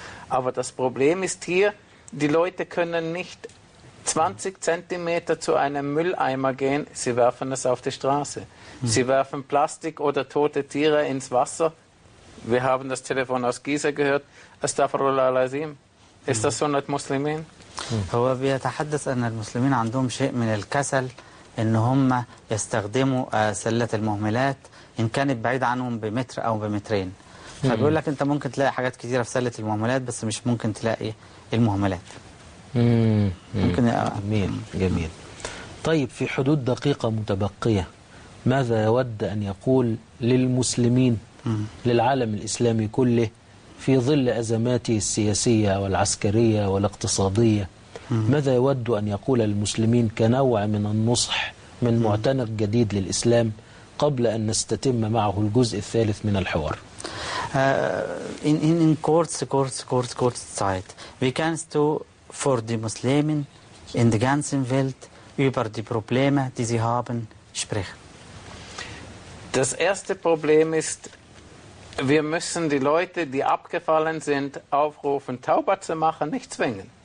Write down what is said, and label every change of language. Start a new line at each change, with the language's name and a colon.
German: Aber das Problem ist hier, die Leute können nicht 20 Zentimeter zu einem Mülleimer gehen, sie werfen es auf die Straße. Sie werfen Plastik oder tote Tiere ins Wasser. Wir haben das Telefon aus Gizeh gehört. Astaghfirullah al-Azim. Ist das Sunnat Muslimin?
Arabic: هو بيتحدث أن المسلمين عندهم شيء من الكسل إن هم يستخدموا سلة المهملات إن كانت بعيد عنهم بمتر أو بمترين. فبيقول لك أنت ممكن تلاقي حاجات كثيرة في سلة المهملات بس مش ممكن تلاقي المهملات. ممكن جميل جميل. طيب في حدود دقيقة متبقية. ماذا يود أن يقول للمسلمين للعالم الإسلامي كله في ظل أزماته السياسية والعسكرية والاقتصادية ماذا يود أن يقول للمسلمين كنوع من النصح من معتنق جديد للإسلام قبل أن نستتم معه الجزء الثالث من الحوار
German: In kurz Zeit Wie kannst du vor die Muslimen in der ganzen Welt über die Probleme, die sie haben, sprechen? Das erste Problem ist, wir müssen die Leute, die abgefallen sind, aufrufen, Tauba zu machen, nicht zwingen.